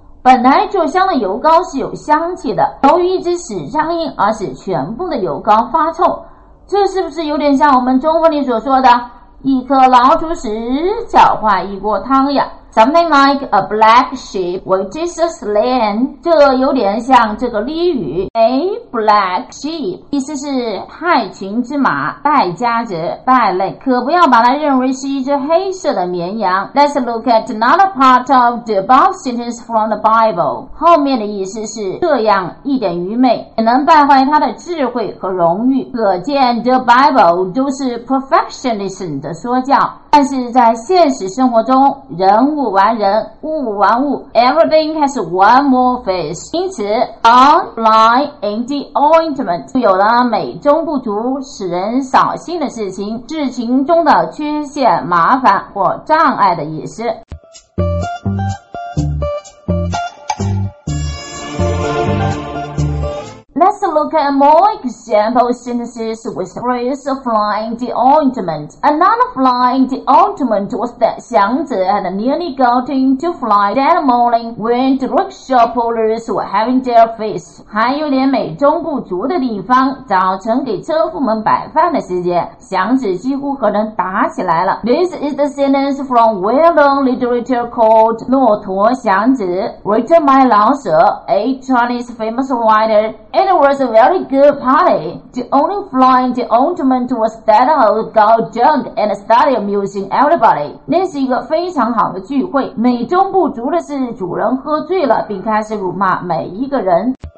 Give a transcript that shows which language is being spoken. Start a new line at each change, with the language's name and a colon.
Chinese: 本来做香的油膏是有香气的，由于一只死苍蝇而使全部的油膏发臭。这是不是有点像我们中文里所说的一颗老鼠屎搅坏一锅汤呀？
English: Something like a black sheep which is slain.
Chinese: 这有点像这个俚语 A black sheep 意思是害群之马败家者败类，可不要把它认为是一只黑色的绵羊。
English: Let's look at another part of the above sentence from the Bible.
Chinese: 后面的意思是这样一点愚昧也能败坏他的智慧和荣誉。可见 the Bible 都是 perfectionism 的说教，但是在现实生活中，人物玩人，物玩物，
English: everything has one more face.
Chinese: 因此 a fly in the ointment 就有了美中不足、使人扫兴的事情、事情中的缺陷、麻烦或障碍的意思。
English: Let's look at more example sentences with the phrase fly in the ointment. Another fly in the ointment was that Xiang Zi had nearly gotten to fly that morning when the rickshaw pullers were having their feast.
Chinese: 还有点美中不足的地方，早晨给车夫们摆饭的时间，祥子几乎可能打起来了。
English: This is the sentence from well-known literature called 骆驼祥子 written by 老舍, a Chinese famous writer. It was a very good party. The only fly in the ointment was that old girl drunk and started amusing everybody.
Chinese: 那是一个非常好的聚会。美中不足的是主人喝醉了并开始辱骂每一个人。